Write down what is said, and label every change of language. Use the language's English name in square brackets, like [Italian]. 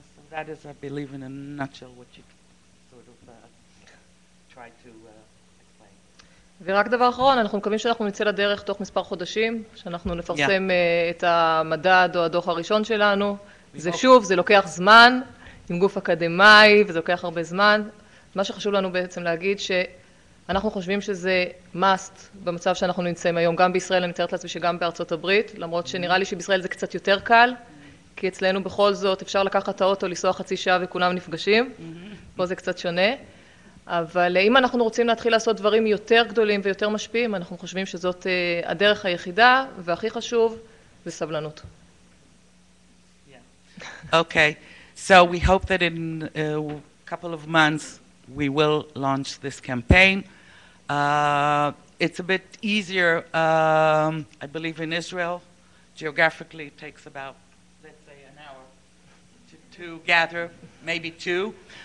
[English] That is, I believe, in a nutshell, what you sort of try to explain. [Hebrew] ורק דבר אחרון, אנחנו מקווים שאנחנו נצא לדרך תוך מספר חודשים, שאנחנו נפרסם את המדד או הדוח הראשון שלנו. זה שוב, זה לוקח זמן עם גוף אקדמי, וזה לוקח הרבה זמן. מה שחשוב לנו בעצם להגיד שאנחנו חושבים שזה must במצב שאנחנו נמצאים היום, גם בישראל, אני מתארת לעצמי שגם בארצות הברית, למרות שנראה לי שבישראל זה קצת יותר קל, כי אצלנו בכל זאת אפשר לקחת את האוטו, לנסוע חצי שעה וכולם נפגשים, פה זה קצת שונה. אבל אם אנחנו רוצים להתחיל לעשות דברים יותר גדולים ויותר משפיעים, אנחנו חושבים שזאת הדרך היחידה, והכי חשוב, זה סבלנות. [English] Okay, so we hope that in a couple of months we will launch this campaign. It's a bit easier, I believe, in Israel. Geographically, it takes about, let's say, an hour to gather, maybe two.